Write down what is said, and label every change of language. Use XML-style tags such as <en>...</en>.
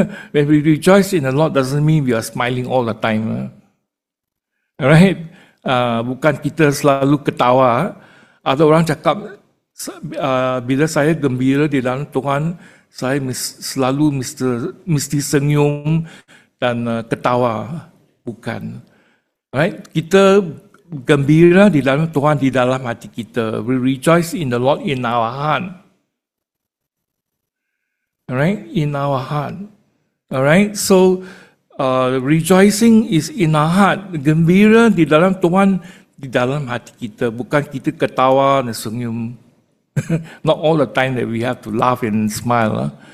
<en>When we rejoice in the Lord doesn't mean we are smiling all the time. Alright?</en> <ms>Bukan kita selalu ketawa. Ada orang cakap, bila saya gembira di dalam Tuhan, saya selalu mesti senyum dan ketawa. Bukan.</ms> <en>Right?</en> <ms>Kita gembira di dalam Tuhan di dalam hati kita.</ms> <en>We rejoice in the Lord in our heart. Alright? In our heart. Alright? So, rejoicing is in our heart.</en> <ms>Gembira di dalam Tuhan di dalam hati kita. Bukan kita ketawa dan senyum.</ms> <en>Not all the time that we have to laugh and smile.</en>